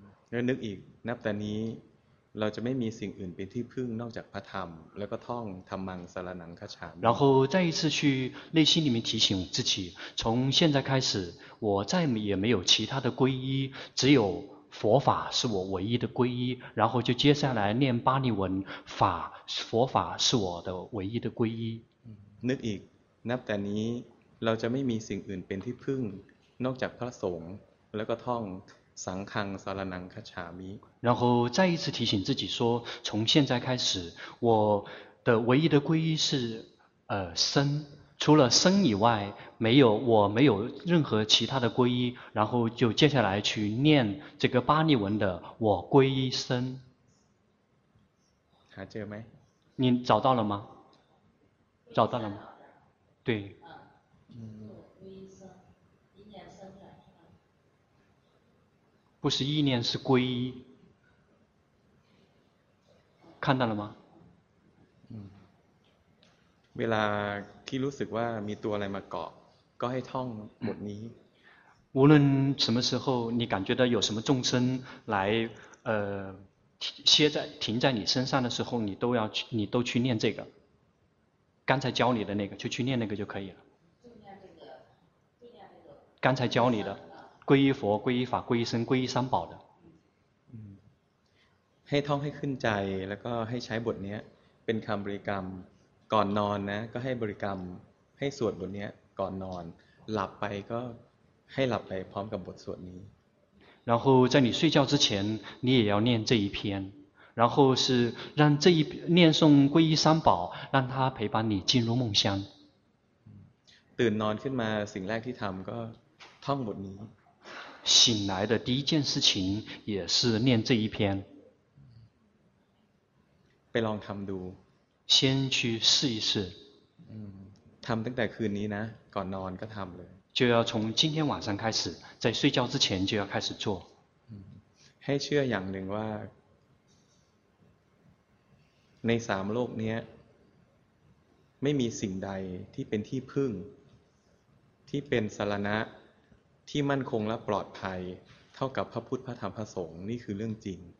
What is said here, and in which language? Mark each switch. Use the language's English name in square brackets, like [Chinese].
[Thai] แล้วนึกอีกนับแต่นี้เราจะไม่มีสิ่งอื่นเป็นที่พึ่งนอกจากพระธรรมแล้วก็ท่องธัมมังสรณังคัจฉามิ [Chinese] 然后再一次去内心里面提醒自己从现在开始我再也没有其他的皈依只有佛法是我唯一的皈依然后就接下来念巴利文法佛法是我的唯一的皈依 [Thai] นึกอีกนับแต่นี้เราจะไม่มีสิ่งอื่นเป็นที่พึ่งนอกจากพระสงฆ์แล้วก็ท่องสังฆังสรณังคัจฉามิ [Chinese] 然后再一次提醒自己说从现在开始我的唯一的皈依是僧除了生以外，没有，我没有任何其他的皈依，然后就接下来去念这个巴利文的我皈依生。还这个没？你找到了吗？找到了吗？对。不是意念，是皈依。看到了吗？ [Thai] เวลาที่รู้สึกว่ามีตัวอะไรมาเกาะก็ให้ท่องบทนี้ [Chinese] 无论什么时候你感觉到有什么众生来歇在停在你身上的时候你都要去你都去念这个刚才教你的那个就去念那个就可以了刚才教你的皈依佛皈依法皈依僧皈依三宝的 [Thai] ให้ท่องให้ขึ้นใจแล้วก็ให้ใช้บทนี้เป็นคำบริกรรมก่อนนอนนะก็ให้บริกรรมให้สวดบทนี้ก่อนนอนหลับไปก็ให้หลับไปพร้อมกับบทสวดนี้ [Chinese] 然后在你睡觉之前你也要念这一篇然后是让这一念诵皈依三宝让他陪伴你进入梦乡 [Thai] ตื่นนอนขึ้นมาสิ่งแรกที่ทำก็ท่องบทนี้ [Chinese] 醒来的第一件事情也是念这一篇 [Thai] ไปลองทำดู [Chinese] 先去试一试 [Thai] ทำตั้งแต่คืนนี้นะก่อนนอนก็ทำเลย [Chinese] 就要从今天晚上开始在睡觉之前就要开始做 [Thai] ให้เชื่ออย่างหนึ่งว่าในสามโลกนี้ไม่มีสิ่งใดที่เป็นที่พึ่งที่เป็นสรณะที่มั่นคงและปลอดภัยเท่ากับพระพุทธพระธรรมพระสงฆ์นี่คือเรื่องจริง